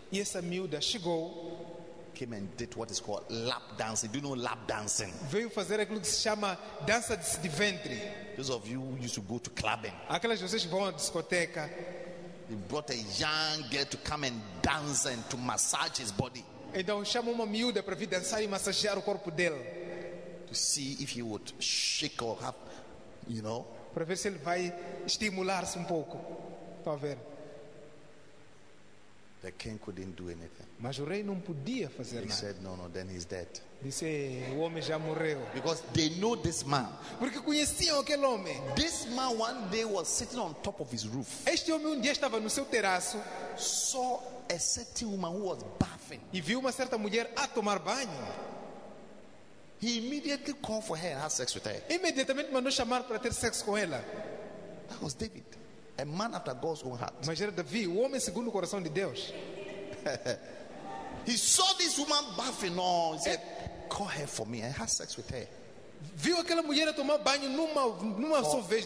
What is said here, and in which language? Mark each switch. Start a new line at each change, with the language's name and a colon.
Portuguese: E essa miúda chegou.
English: Came and did what is called lap dancing. Do you know lap dancing?
Portuguese: Veio fazer aquilo que se chama dança de ventre.
English: Those of you who used to go to clubbing.
Portuguese: Aquelas vocês vão à discoteca.
English: He brought a young girl to come and dance and to massage his body.
Portuguese: Então chamou uma miúda para vir dançar e massagear o corpo dele.
English: To see if he would shake or have, you know.
Portuguese: Para ver se ele vai estimular-se um pouco. Para ver.
English: The king couldn't do anything.
Portuguese: Mas o rei não podia fazer
English: he
Portuguese: nada.
English: He said no, then he's dead.
Portuguese: Disse, o homem já morreu.
English: Because they know this man.
Portuguese: Porque conheciam aquele homem.
English: This man one day was sitting on top of his roof.
Portuguese: Este homem dia estava no seu terraço.
English: Saw a certain woman who was bathing.
Portuguese: E viu uma certa mulher a tomar banho.
English: He immediately called for her and had sex with her.
Portuguese: Imediatamente mandou chamar para ter sexo com ela.
English: That was David, a man after God's own heart.
Portuguese: Mas era Davi, o homem segundo o coração de Deus.
English: He saw this woman bathing on. He said, call her for me and have sex with her.
Portuguese: Viu aquela mulher a tomar banho numa só vez.